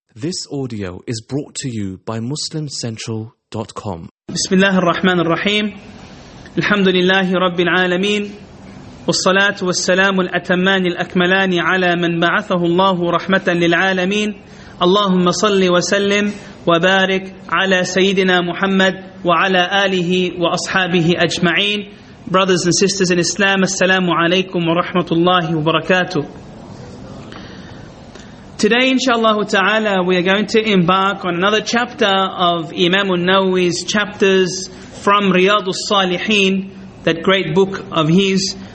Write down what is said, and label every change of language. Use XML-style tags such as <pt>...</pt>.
<en>This audio is brought to you by MuslimCentral.com.</en> <ar>بسم الله الرحمن الرحيم الحمد لله رب العالمين والصلاة والسلام الأتمان الأكملان على من بعثه الله رحمة للعالمين اللهم صل وسلم وبارك على سيدنا محمد وعلى آله وأصحابه أجمعين.</ar> <en>Brothers and sisters in Islam,</en> <ar>السلام عليكم ورحمة الله وبركاته.</ar> <en>Today, inshallah ta'ala, we are going to embark on another chapter of Imam al-Nawawi's chapters from Riyadu al-Salihin, that great book of his.</en>